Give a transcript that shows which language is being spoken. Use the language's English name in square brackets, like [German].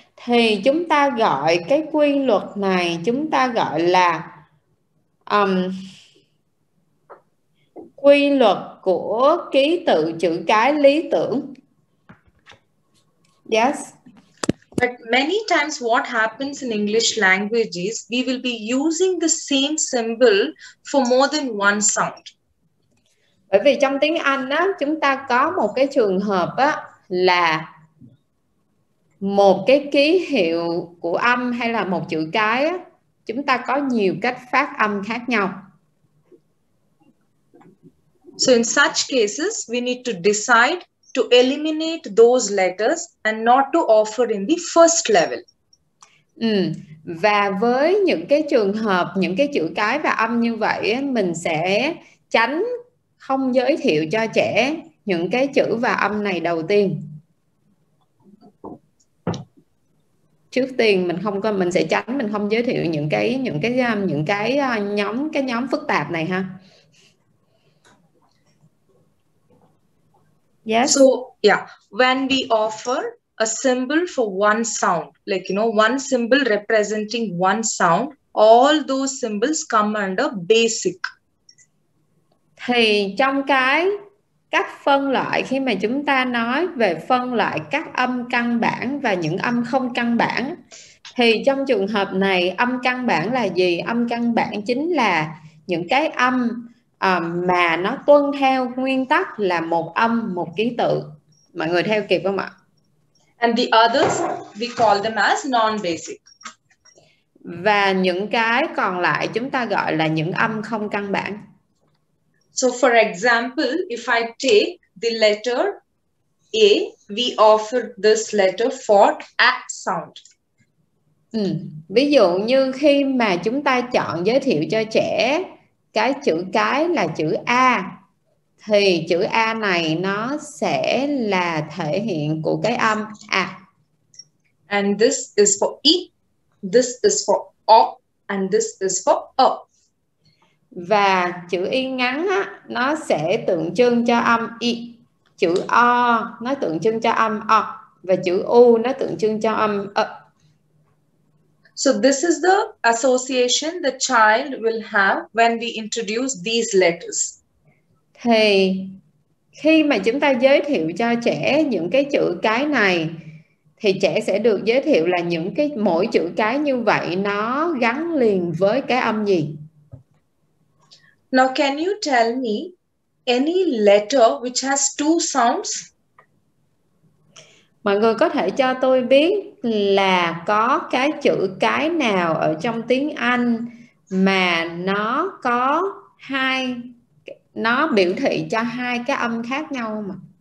[Vietnamese] Thì chúng ta gọi cái quy luật này chúng ta gọi là quy luật của ký tự chữ cái lý tưởng. [English] Yes. But many times what happens in English language is we will be using the same symbol for more than one sound. [Vietnamese] Bởi vì trong tiếng Anh á, chúng ta có một cái trường hợp á, là một cái ký hiệu của âm hay là một chữ cái á, chúng ta có nhiều cách phát âm khác nhau. [English] So in such cases, we need to decide to eliminate those letters and not to offer in the first level. [Vietnamese] Và với những cái trường hợp những cái chữ cái và âm như vậy, mình sẽ tránh không giới thiệu cho trẻ những cái chữ và âm này đầu tiên. Trước tiên mình không có mình sẽ tránh mình không giới thiệu những cái nhóm cái nhóm phức tạp này ha. [English] Yes. So, yeah, when we offer a symbol for one sound, like, one symbol representing one sound, all those symbols come under basic. [Vietnamese] Thì trong cái cách phân loại, khi mà chúng ta nói về phân loại các âm căn bản và những âm không căn bản, thì trong trường hợp này âm căn bản là gì? Âm căn bản chính là những cái âm mà nó tuân theo nguyên tắc là một âm một ký tự. Mọi người theo kịp không ạ? [English] And the others, we call them as non-basic. [Vietnamese] Và những cái còn lại chúng ta gọi là những âm không căn bản. [English] So for example, if I take the letter A, we offer this letter for a sound. [Vietnamese] Ví dụ như khi mà chúng ta chọn giới thiệu cho trẻ cái chữ cái là chữ A, thì chữ A này nó sẽ là thể hiện của cái âm A. [English] And this is for e, this is for o, and this is for o. [Vietnamese] Và chữ Y ngắn á, nó sẽ tượng trưng cho âm Y. Chữ O nó tượng trưng cho âm O. Và chữ U nó tượng trưng cho âm Ơ. [English] So this is the association the child will have when we introduce these letters. [Vietnamese] Thì khi mà chúng ta giới thiệu cho trẻ những cái chữ cái này, thì trẻ sẽ được giới thiệu là những cái mỗi chữ cái như vậy nó gắn liền với cái âm gì. [English] Now, can you tell me any letter which has two sounds? [Vietnamese] Mọi người có thể cho tôi biết là có cái chữ cái nào ở trong tiếng Anh mà nó có hai, nó biểu thị cho hai cái âm khác nhau mà.